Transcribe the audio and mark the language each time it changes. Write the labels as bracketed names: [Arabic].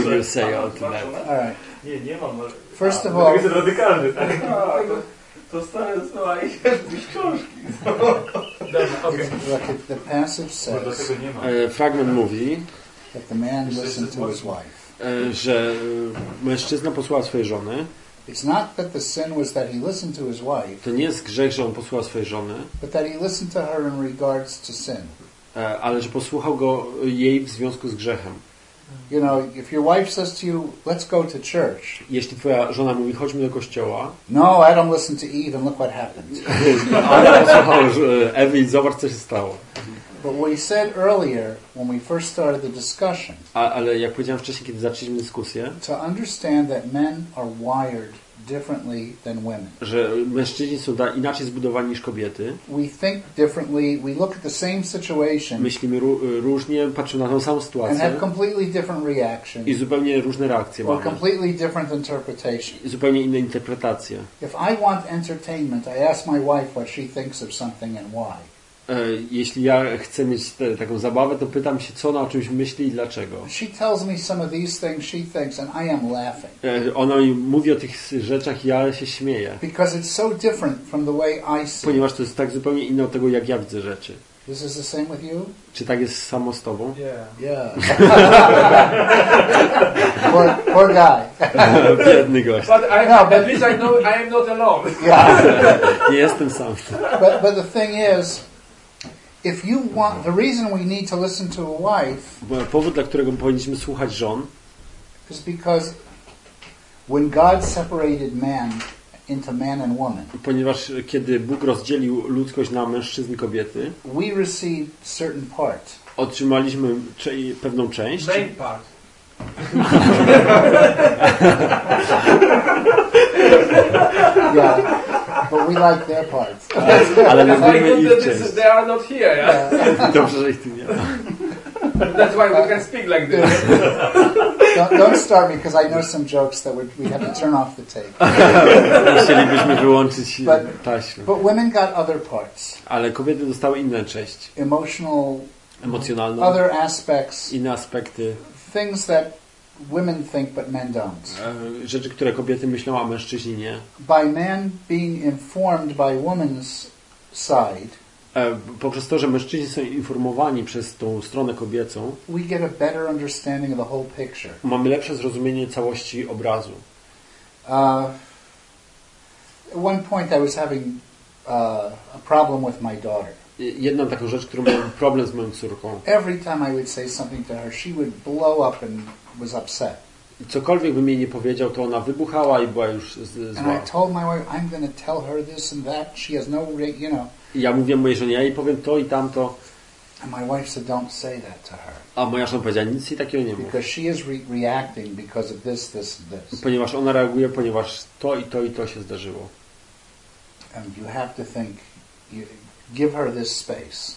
[English] First of all, the passage says, [Polish] fragment mówi, [English] that the man listened to his wife. [Polish] Że mężczyzna posłuchał swojej żony. [English] It's not that the sin was that he listened to his wife. [Polish] To nie jest grzech, że on posłuchał swojej żony. [English] But that he listened to her in regards to sin. [Polish] Ale że posłuchał go jej w związku z grzechem. [English] You know, if your wife says to you, "Let's go to church." [Polish] Jeśli twoja żona mówi, chodźmy do kościoła. [English] No, I don't listen to Eve, and look what happened. [Polish] Ale posłuchał Ewy, zobacz, co się stało. [English] But we said earlier when we first started the discussion. [Polish] Ale jak powiedziałem wcześniej, kiedy zaczęliśmy dyskusję. [English] To understand that men are wired differently than women. [Polish] Że mężczyźni są inaczej zbudowani niż kobiety. [English] We think differently, we look at the same situation. [Polish] Myślimy różnie, patrzymy na tą samą sytuację. [English] And have completely different reactions. [Polish] I zupełnie różne reakcje mamy. [English] Or completely different interpretations. [Polish] I zupełnie inne interpretacje. [English] If I want entertainment, I ask my wife what she thinks of something and why. [Polish] Jeśli ja chcę mieć taką zabawę, to pytam się, co ona o czymś myśli i dlaczego. [English] She tells me some of these things she thinks and I am laughing. [Polish] Ona mi mówi o tych rzeczach i ja się śmieję. [English] Because it's so different from the way I see. [Polish] Ponieważ to jest tak zupełnie inne od tego, jak ja widzę rzeczy. [English] This is the same with you? [Polish] Czy tak jest samo z tobą? [English] Yeah. Poor, poor guy. [Polish] Biedny gość. [English] But I no, but at least I know I am not alone. Yeah. [Polish] Nie jestem sam. [English] But the thing is, if you want, the reason we need to listen to a wife. [Polish] Bo powód, dla którego powinniśmy słuchać żon. [English] Is because when God separated man into man and woman. [Polish] Ponieważ kiedy Bóg rozdzielił ludzkość na mężczyzn i kobiety. [English] We received certain part. [Polish] Otrzymaliśmy pewną część. [English] Main part. Yeah. But we like their parts. [Polish] Ale lubimy ich część. [English] They are not here, yeah? [Polish] Dobrze, że ich tu nie ma. [English] That's why we can speak like this. Don't start me, because I know some jokes that we have to turn off the tape. [Polish] Musielibyśmy wyłączyć taśmę. [English] But women got other parts. [Polish] Ale kobiety dostały inne część. [English] Emotional. [Polish] Emocjonalną. [English] Other aspects. [Polish] Inne aspekty. [English] Things that women think, but men don't. [Polish] Rzeczy, które kobiety myślą, a mężczyźni nie. [English] By man being informed by woman's side. [Polish] Poprzez to, że mężczyźni są informowani przez tą stronę kobiecą. [English] We get a better understanding of the whole picture. [Polish] Mamy lepsze zrozumienie całości obrazu. [English] At one point, I was having a problem with my daughter. [Polish] Jedną taką rzecz, którą miałem problem z moją córką. [English] Every time I would say something to her, she would blow up and was upset. [Polish] Cokolwiek bym jej nie powiedział, to ona wybuchała i była już zła. [English] And I told my wife, I'm going to tell her this and that. She has no, you know. [Polish] I ja mówię mojej żonie, ja jej powiem to i tamto. [English] And my wife said, don't say that to her. [Polish] A moja żona powiedziała, nic jej takiego nie mów. [English] Because she is reacting because of this, this, this. [Polish] Ponieważ ona reaguje, ponieważ to i to i to się zdarzyło. [English] And you have to think, you give her this space.